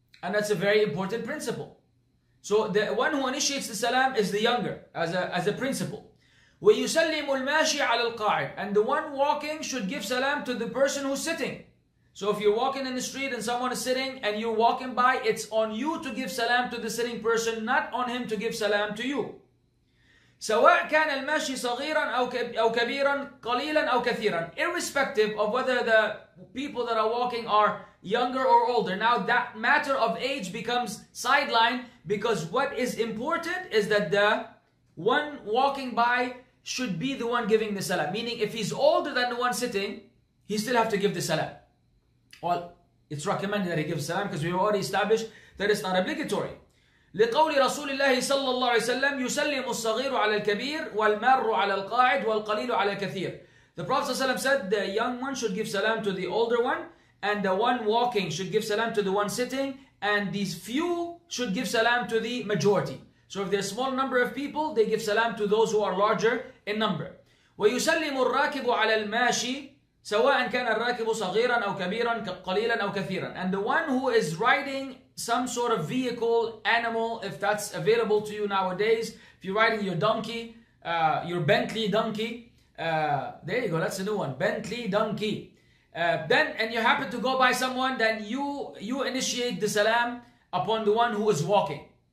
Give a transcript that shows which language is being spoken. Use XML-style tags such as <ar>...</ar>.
<en>And that's a very important principle. So the one who initiates the salam is the younger, as a principle.</en> <ar>وَيُسَلِّمُ الْمَاشِي عَلَى الْقَاعِدِ.</ar> <en>And the one walking should give salam to the person who's sitting. So if you're walking in the street and someone is sitting and you're walking by, it's on you to give salam to the sitting person, not on him to give salam to you.</en> <ar>سَوَاءَ كَانَ الْمَاشِي صَغِيرًا أَوْ كَبِيرًا قَلِيلًا أَوْ كَثِيرًا.</ar> <en>Irrespective of whether the people that are walking are younger or older. Now that matter of age becomes sidelined, because what is important is that the one walking by should be the one giving the salam. Meaning if he's older than the one sitting, he still have to give the salam. Well, it's recommended that he gives salam, because we've already established that it's not obligatory.</en> <ar>لقول رسول الله صلى الله عليه وسلم يسلم الصغير على الكبير والمر على القاعد والقليل على الكثير.</ar> <en>The Prophet ﷺ said the young one should give salam to the older one, and the one walking should give salam to the one sitting, and these few should give salam to the majority. So if there's a small number of people, they give salam to those who are larger in number.</en> <ar>وَيُسَلِّمُ الرَّاكِبُ عَلَى الْمَاشِي سَوَاءً كَانَ الرَّاكِبُ صَغِيرًا أَوْ كَبِيرًا قَلِيلًا أَوْ كَثِيرًا.</ar> <en>And the one who is riding some sort of vehicle, animal, if that's available to you nowadays, if you're riding your donkey, your Bentley donkey, there you go, that's a new one, Bentley donkey. Then, and you happen to go by someone, then you initiate the salam upon the one who is walking.</en>